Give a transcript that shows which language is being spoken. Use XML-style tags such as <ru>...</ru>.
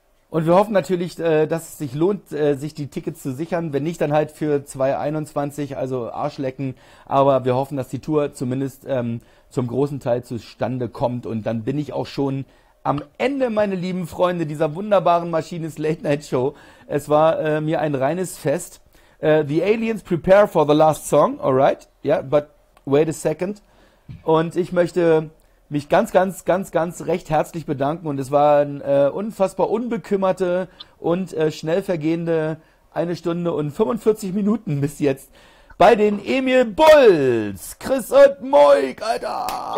<de>Und wir hoffen natürlich, dass es sich lohnt, sich die Tickets zu sichern. Wenn nicht, dann halt für 2021, also Arschlecken. Aber wir hoffen, dass die Tour zumindest zum großen Teil zustande kommt. Und dann bin ich auch schon am Ende, meine lieben Freunde, dieser wunderbaren Maschines Late Night Show. Es war mir ein reines Fest.</de> <en>The Aliens prepare for the last song, alright? Yeah, but wait a second.</en> <de>Und ich möchte mich ganz, ganz, ganz, ganz recht herzlich bedanken und es waren unfassbar unbekümmerte und schnell vergehende 1 Stunde und 45 Minuten bis jetzt bei den Emil Bulls. Chris und Moik, Alter!</de>